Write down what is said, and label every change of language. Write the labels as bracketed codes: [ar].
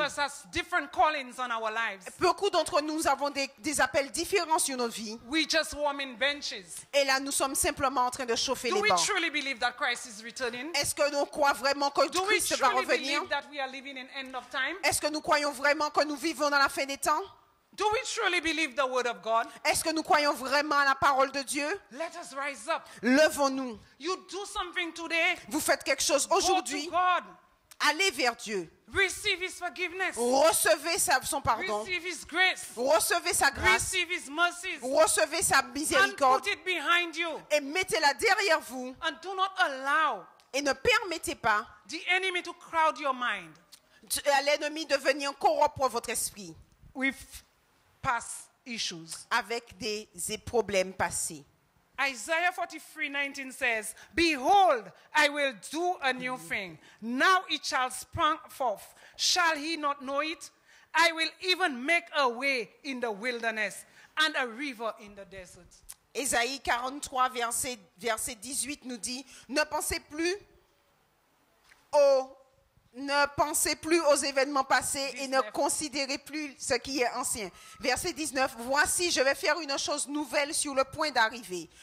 [en] Of us have different callings on our lives. [fr] Beaucoup d'entre nous avons des appels différents sur notre vie. [en] We just warming benches. [fr] Et là, nous sommes simplement en train de chauffer [en] Do [fr] les [en] we [fr] bancs. [en] Truly believe that Christ is returning? [fr] Est-ce que nous croyons vraiment que [en] Do [fr] Christ [en] we truly [fr] va revenir? [en] Believe that we are living in end of time? [fr] Est-ce que nous croyons vraiment que nous vivons dans la fin des temps? [en] Do we truly believe the word of God? [fr] Est-ce que nous croyons vraiment à la parole de Dieu? [en] Let us rise up. [fr] Levons-nous. [en] You do something today. [fr] Vous faites quelque chose aujourd'hui. [en] Go to God. [fr] Allez vers Dieu. [en] Receive his forgiveness. [fr] Recevez son pardon. [en] Receive his grace. [fr] Recevez sa grâce. [en] Receive his mercies. [fr] Recevez sa miséricorde. [en] And put it behind you. [fr] Et mettez-la derrière vous. [en] And do not allow [fr] et ne permettez pas [en] the enemy to crowd your mind. [fr] À l'ennemi de venir corrompre votre esprit [en] with past issues. [fr] Avec des problèmes passés. [en] Isaiah 43:19 says, Behold, I will do a new thing. Now it shall spring forth. Shall he not know it? I will even make a way in the wilderness and a river in the desert. [fr] Isaïe 43, verset 18 nous dit, Ne pensez plus aux événements passés 19. Et ne considérez plus ce qui est ancien. Verset 19, voici, je vais faire une chose nouvelle sur le point d'arriver.